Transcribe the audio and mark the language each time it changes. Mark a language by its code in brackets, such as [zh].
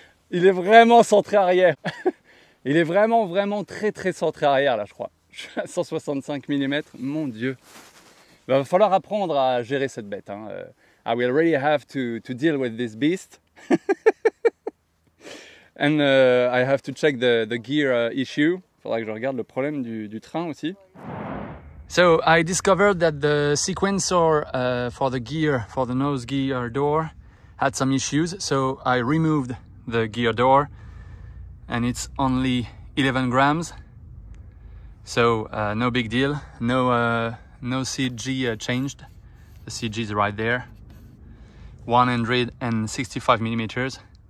[fr] Il est vraiment centré arrière. Il est vraiment, vraiment très, très centré arrière, là, je crois. Je suis à 165 mm. Mon Dieu. Il va falloir apprendre à gérer cette bête. Hein. [en] I will really have to deal with this beast. And I have to check the gear issue. [fr] Il faudra que je regarde le problème du train aussi. [en] So, I discovered that the sequencer for the gear, for the nose gear door, had some issues. So, I removed the gear door and it's only 11 grams, so no big deal, no CG changed, the CG is right there, 165 millimeters.